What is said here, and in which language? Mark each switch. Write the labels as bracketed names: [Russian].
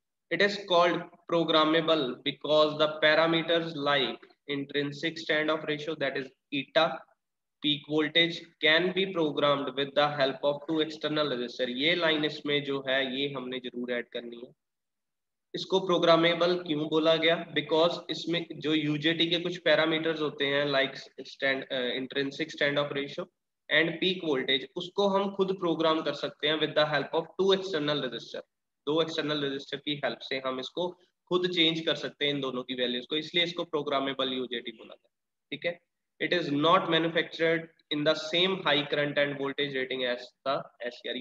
[English] It is called programmable because the parameters like intrinsic standoff ratio that is eta. Peak voltage can be programmed with the help of two external resistor. [Hindi] ये line इसमें जो है ये हमने जरूर add करनी है. इसको प्रोग्रामेबल क्यों बोला गया? बिकॉज़ इसमें जो यूजेटी के कुछ पैरामीटर्स होते हैं like intrinsic stand of ratio and peak voltage, उसको हम खुद प्रोग्राम कर सकते हैं with the help of to external resistor. दो एक्सटर्नल रेजिस्टर की हेल्प से हम इसको खुद चेंज कर सकते हैं इन दोनों की वैल्यूज को, इसलिए इसको प्रोग्रामेबल यूजेटी बोला गया, ठीक है. [English] It is not manufactured in the same high current and voltage rating as the SCR.